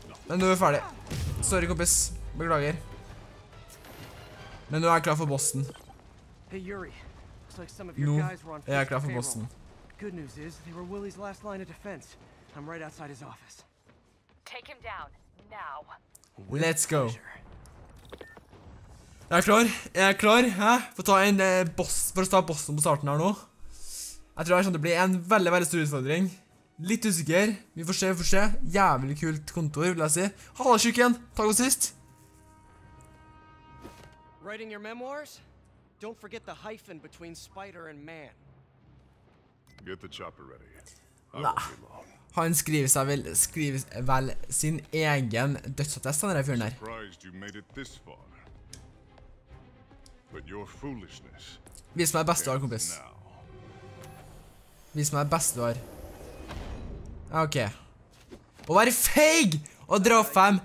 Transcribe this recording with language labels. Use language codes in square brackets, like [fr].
[no] Men nå er vi ferdig. Sorry, kompis. Beklager. Men nå er jeg klar for bossen. [en] Hey, Yuri. [no] Nå er jeg klar for bossen. [en] Good news is, they were Willy's last line of defense. I'm right outside his office. Take him down, now. Let's go. [no] Jeg er klar, hæ? For å ta en boss, for å ta bossen på starten her nå. Jeg tror det er sånn det blir en veldig, veldig stor utfordring. Litt usikker, vi får se, vi får se. Jævlig kult kontor, vil jeg si. Halla, tjukken, takk for sist. [en] Writing your memoirs? Don't forget the hyphen between spider and man. Get the chopper ready. [no] Nei. Han skriver seg vel, sin egen dødsattest, denne fyren der. Vis meg best du har, kompis. Vis meg best du har. Ok. Å være feig! Å dra fem!